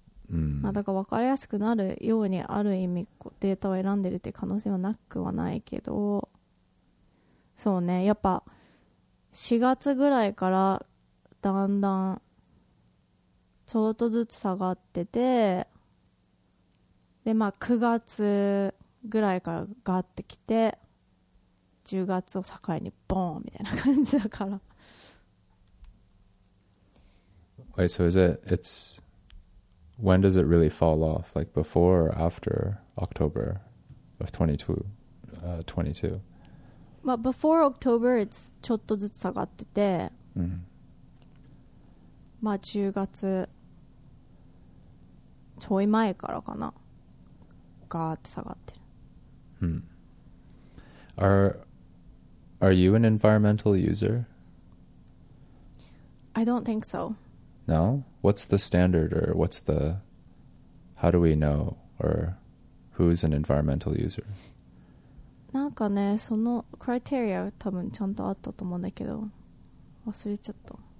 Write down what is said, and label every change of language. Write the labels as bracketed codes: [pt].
[ja] な、まあ、だから分かりやすくなるようにある意味こうデータを選んでるって可能性はなくはないけど、そうね、やっぱ4月ぐらいからだんだんちょっとずつ下がってて、でまあ9月ぐらいからガッてきて、10月を境にボーンみたいな感じだから。 [en] Wait, so is it's when does it really fall off? Like before or after October of 22? But before October, it's [ja] ちょっとずつ下がってて、まあ10月ちょい前からかな、ガーって下がってる。 [en] Are you an environmental user? I don't think so. No? What's the standard, or what's the... How do we know, or who's an environmental user? [ja] なんかね、そのクライテリア多分ちゃんとあったと思うんだけど、忘れちゃった。